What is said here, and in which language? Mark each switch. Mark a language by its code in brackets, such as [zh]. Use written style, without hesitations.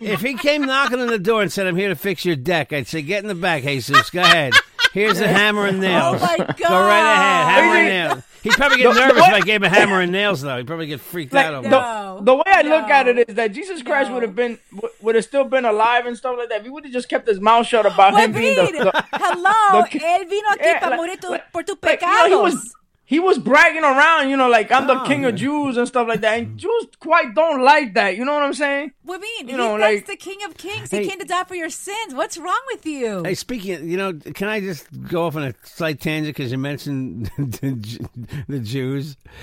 [en] If he came knocking on the door and said, "I'm here to fix your deck," I'd say, "Get in the back, Jesus. Go ahead. Here's a hammer and nails. Oh, my God. Go right ahead. Hammer and nails." He'd probably get nervous if I gave him a hammer and nails, though. He'd probably get freaked out over it. The way I look at it is that Jesus Christ would have still been alive and stuff like that. We would have just kept his mouth shut about him being hello, [es] él vino aquí para morir por tus pecados. [en] You know, he was bragging around, you know, like, I'm the king of Jews and stuff like that. And Jews quite don't like that. You know what I'm saying? What do you mean? You know, that's the king of kings. Hey, he came to die for your sins. What's wrong with you? Hey, speaking of, you know, can I just go off on a slight tangent because you mentioned the Jews?